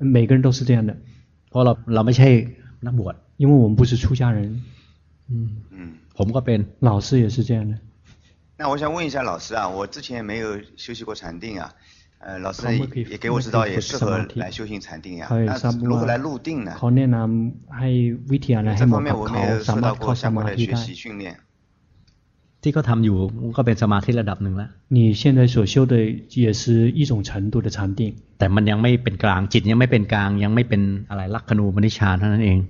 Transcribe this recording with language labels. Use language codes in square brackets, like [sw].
[zh] 每个人都是这样的 [th] เพราะเราไม่ใช่นักบวช [zh] 因为我们不是出家人 [th] ผมก็เป็น [zh] 老师也是这样的那我想问一下老师啊，我之前没有休息过禅定啊，老师也给我指导，也适合来修行禅定啊。那如何来入定呢？ [th] เขาแนะนำให้วิธีอะไรให้มาเข้าสมาธิได้。 [zh] 这方面我没有受到过相关的学习训练。 [th] ที่เขาทำอยู่ก็เป็นสมาธิระดับหนึ่งแล้ว。 [zh] 你现在所修的也是一种程度的禅定。 [th] แต่มันยังไม่เป็นกลางจิตยังไม่เป็นกลางยังไม่เป็นอะไรลักขณูปนิชฌานเท่านั้นเอง。